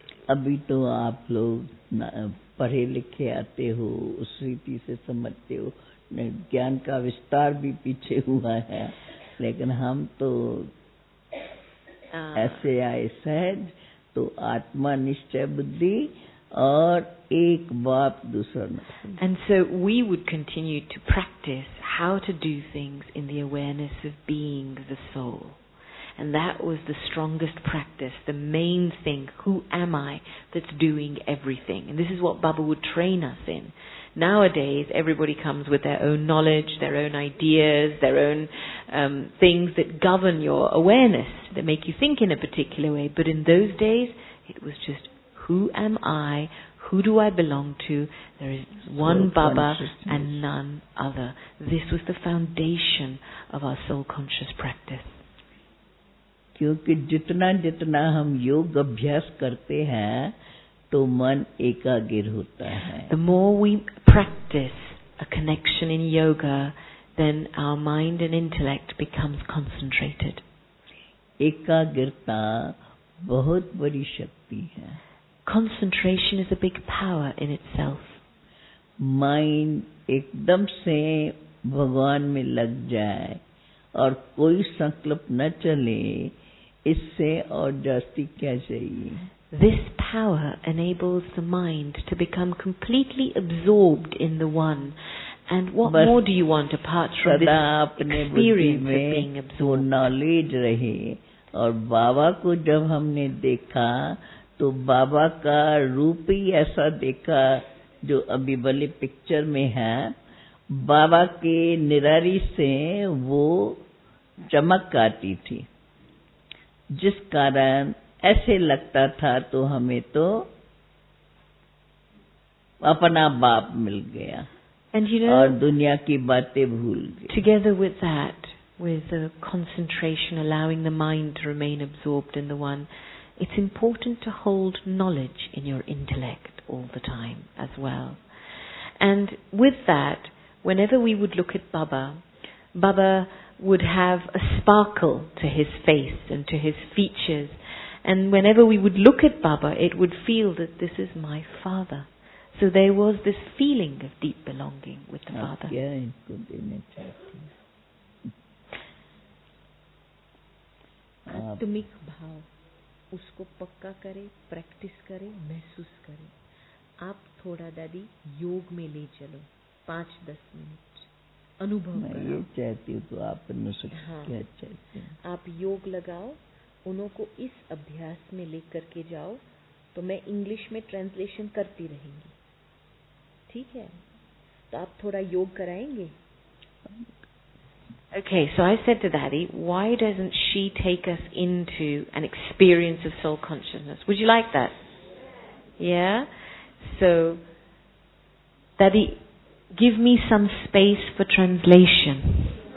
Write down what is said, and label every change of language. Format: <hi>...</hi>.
<hi>अभी तो आप लोग पढ़े लिखे आते हो, उस रीति से समझते हो, ज्ञान का विस्तार भी पीछे हुआ है, लेकिन हम तो ऐसे आए सहज. तो आत्मा निश्चय बुद्धि और एक बाप दूसरा ना.</hi> <en>And so we would continue to practice how to do things in the awareness of being the soul. And that was the strongest practice, the main thing, who am I that's doing everything? And this is what Baba would train us in. Nowadays, everybody comes with their own knowledge, their own ideas, their own things that govern your awareness, that make you think in a particular way. But in those days, it was just, who am I? Who do I belong to? There is one Baba and none other. This was the foundation of our soul conscious practice.</en> <hi>क्योंकि जितना जितना हम योग अभ्यास करते हैं तो मन एकाग्र होता है.</hi> <en>The more we practice a connection in yoga, then our mind and intellect becomes concentrated.</en> <hi>एकाग्रता बहुत बड़ी शक्ति है.</hi> <en>Concentration is a big power in itself.</en> <hi>Mind एकदम से भगवान में लग जाए और कोई संकल्प न चले, इससे और जास्ती क्या चाहिए.</hi> <en>This power enables the mind to become completely absorbed in the one. And what more do you want apart from this</en> <hi>अपने</hi> <en>experience of being absorbed?</en> <hi>वो नॉलेज रहे. और बाबा को जब हमने देखा तो बाबा का रूप ही ऐसा देखा जो अभी वाली पिक्चर में है, बाबा के निरारी से वो चमक आती थी, जिस कारण ऐसे लगता था तो हमें तो अपना बाप मिल गया.</hi> <en>And you know,</en> <hi>और दुनिया की बातें भूल गए.</hi> <en>Together with that, with the concentration allowing the mind to remain absorbed in the one, it's important to hold knowledge in your intellect all the time as well. And with that, whenever we would look at Baba, Baba would have a sparkle to his face and to his features, and whenever we would look at Baba, it would feel that this is my father. So there was this feeling of deep belonging with the Father. Yeah, it could be meditative.</en> <hi>आत्मिक भाव उसको पक्का करे practice करे महसूस करे आप थोड़ा दादी योग में ले चलो 5-10 मिनट अनुभव मैं करो कहती हूँ तो आप नुस्खे क्या चाहते आप योग लगाओ उनको इस अभ्यास में लेकर के जाओ तो मैं इंग्लिश में ट्रांसलेशन करती रहेंगी ठीक है तो आप थोड़ा योग कराएंगे</hi> <en>Okay, so I said to Daddy, why doesn't she take us into an experience of soul consciousness? Would you like that? Yeah? So, Daddy, give me some space for translation.</en>